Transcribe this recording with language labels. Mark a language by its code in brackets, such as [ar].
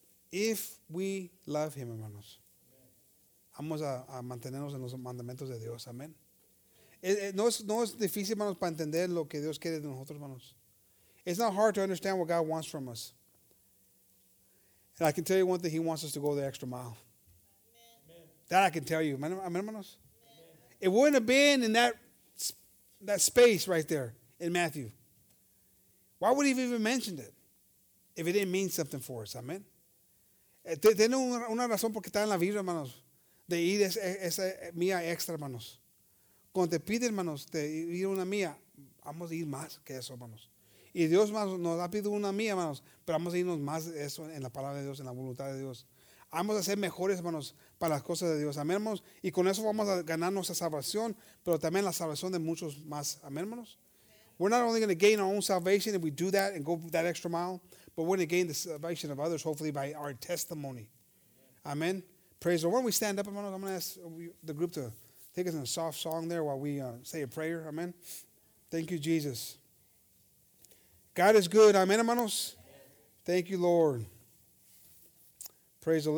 [en] If we love him, [es] hermanos, vamos a mantenernos en los mandamientos de Dios. Amén. No es difícil, hermanos, para entender lo que Dios quiere de nosotros, hermanos. [en] It's not hard to understand what God wants from us. And I can tell you one thing, he wants us to go the extra mile. Amen. That I can tell you. [es] Amén, hermanos. [en] Amen. It wouldn't have been in that space right there in Matthew. Why would he have even mentioned it if it didn't mean something for us? [es] Amén. Tiene una razón porque está en la Biblia, hermanos, de ir esa mía extra, hermanos. Cuando te pide, hermanos, de ir una mía, vamos a ir más que eso, hermanos. Y Dios, hermanos, nos ha pedido una mía, hermanos, pero vamos a irnos más de eso en la palabra de Dios, en la voluntad de Dios. Vamos a ser mejores, hermanos, para las cosas de Dios. Amén, hermanos. Y con eso vamos a ganar nuestra salvación, pero también la salvación de muchos más. Amén, hermanos. [en] We're not only going to gain our own salvation if we do that and go that extra mile, but we're going to gain the salvation of others, hopefully by our testimony. Amen. Amen. Praise the Lord. Why don't we stand up, hermanos? I'm going to ask the group to take us in a soft song there while we say a prayer. Amen. Thank you, Jesus. God is good. Amen, hermanos. Thank you, Lord. Praise the Lord.